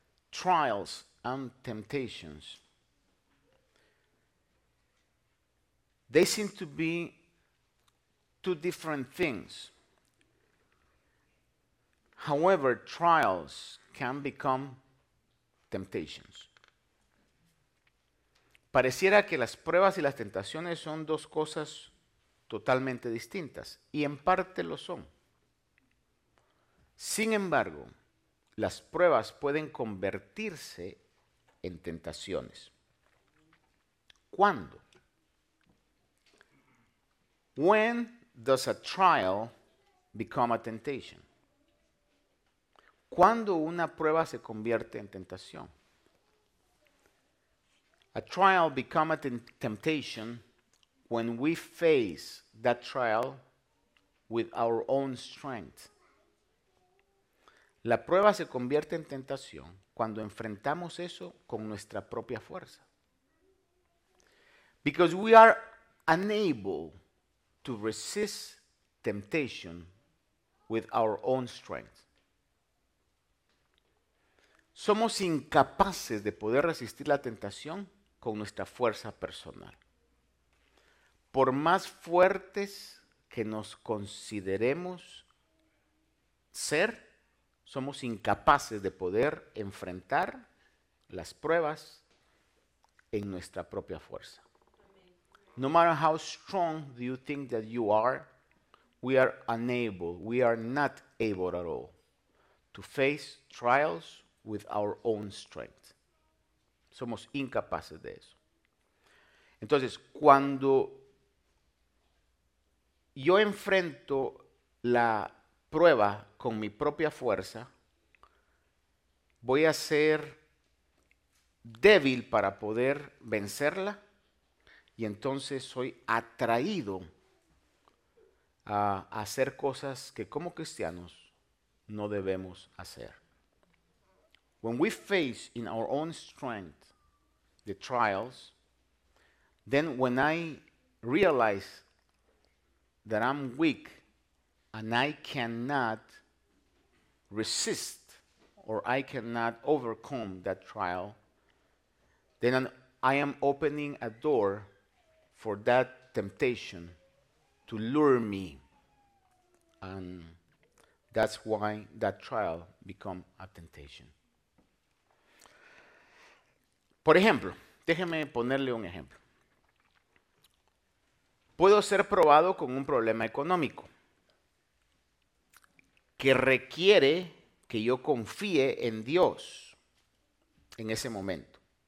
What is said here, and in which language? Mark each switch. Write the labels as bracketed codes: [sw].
[en] Trials and temptations. They seem to be two different things. However, trials can become temptations. [es] Pareciera que las pruebas y las tentaciones son dos cosas totalmente distintas, y en parte lo son. Sin embargo, las pruebas pueden convertirse en tentaciones. ¿Cuándo? [en] When does a trial become a temptation? [es] ¿Cuándo una prueba se convierte en tentación? [en] A trial becomes a temptation when we face that trial with our own strength. [es] La prueba se convierte en tentación cuando enfrentamos eso con nuestra propia fuerza. [en] Because we are unable to resist temptation with our own strength. [es] Somos incapaces de poder resistir la tentación con nuestra fuerza personal. Por más fuertes que nos consideremos ser, somos incapaces de poder enfrentar las pruebas en nuestra propia fuerza. [en] No matter how strong do you think that you are, we are unable, we are not able at all to face trials with our own strength. [es] Somos incapaces de eso. Entonces, cuando yo enfrento la prueba con mi propia fuerza, voy a ser débil para poder vencerla, y entonces soy atraído a hacer cosas que como cristianos no debemos hacer. [en] When we face in our own strength the trials, then when I realize that I'm weak and I cannot resist or I cannot overcome that trial, then I am opening a door for that temptation to lure me. And that's why that trial becomes a temptation. [es] Por ejemplo, déjeme ponerle un ejemplo. Puedo ser probado con un problema económico que requiere que yo confíe en Dios en ese momento.